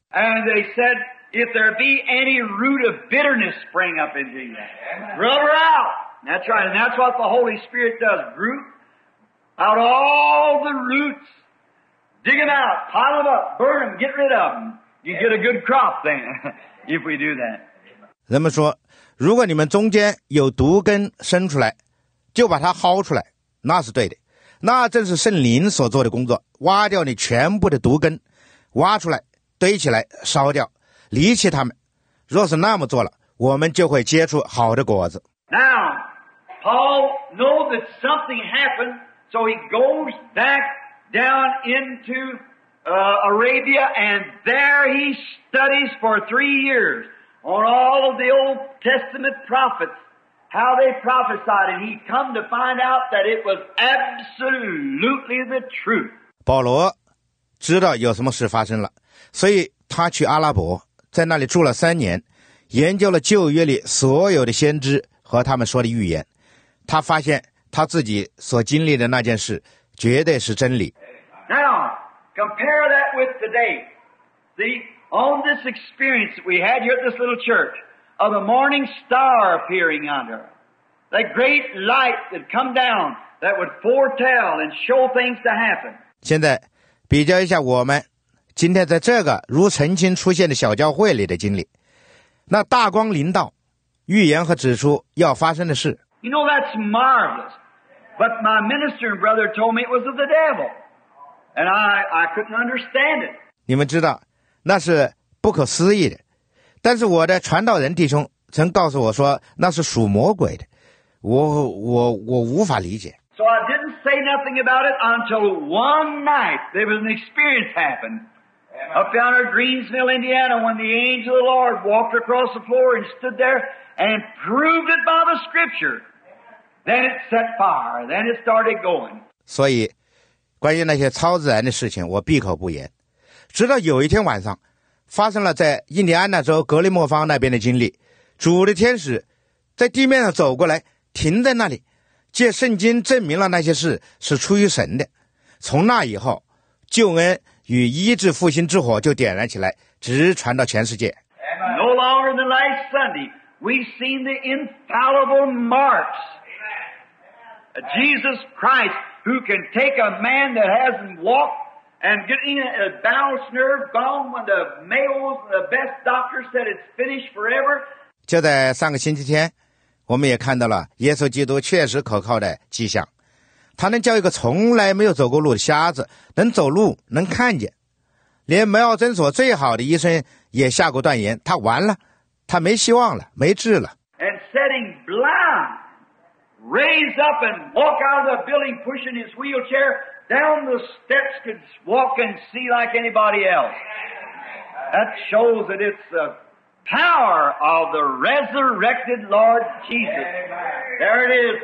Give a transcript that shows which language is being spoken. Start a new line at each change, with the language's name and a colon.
English: And they said, if there be any root of bitterness spring up into you, grub her out. That's right, and that's what the Holy Spirit does. Root out all the roots, dig them out, pile them up, burn them, get rid of them. You get a good crop then, if we do that.
Chinese: 人们说，如果你们中间有毒根生出来，就把它薅出来，那是对的。那正是圣灵所做的工作，挖掉你全部的毒根，挖出来，堆起来，烧掉，离弃他们。若是那么做了，我们就会结出好的果子。
English: Now, Paul knows that something happened, so he goes back down into Arabia, and there he studies for 3 years on all of the Old Testament prophets, how they prophesied, and he come to find out that it was absolutely the truth.
Chinese: 保罗知道有什么事发生了，所以他去阿拉伯，在那里住了三年，研究了旧约里所有的先知和他们说的预言。他发现他自己所经历的那件事绝对是真理。
English: Now, compare that with today. See, on this experience that we had here at this little church, of the morning star appearing under, that great light that come down that would foretell and show things to happen.
Chinese: 现在比较一下我们今天在这个如晨星出现的小教会里的经历，那大光临到，预言和指出要发生的事。
English: You know, that's marvelous. But my minister and brother told me it was of the devil. And I couldn't understand it.
Chinese: 你们知道，那是不可思议的。但是我的传道人弟兄曾告诉我说，那是属魔鬼的。我无法理解。
English: So I didn't say nothing about it until one night there was an experience happened. Up down in Greensville, Indiana, when the angel of the Lord walked across the floor and stood there and proved it by the scripture. Then it set fire. Then it started going.
Chinese: 所以关于那些超自然的事情我闭口不言。直到有一天晚上发生了在印第安纳州格雷莫方那边的经历。主的天使在地面上走过来停在那里。借圣经证明了那些事是出于神的。从那以后救恩与医治复兴之火就点燃起来，直传到全世界。
English: No longer than last Sunday, we've seen the infallible marks. Jesus Christ, who can take a man that hasn't walked and getting a balance nerve gone when the Mayo's and the best doctor said it's finished forever.
Chinese: 就在上个星期天，我们也看到了耶稣基督确实可靠的迹象。他能叫一个从来没有走过路的瞎子能走路能看见，连梅奥诊所最好的医生也下过断言他完了，他没希望了，没治了。
English: And setting blind raise up and walk out of the building pushing his wheelchair down the steps could walk and see like anybody else. That shows that it's the power of the resurrected Lord Jesus. There it is.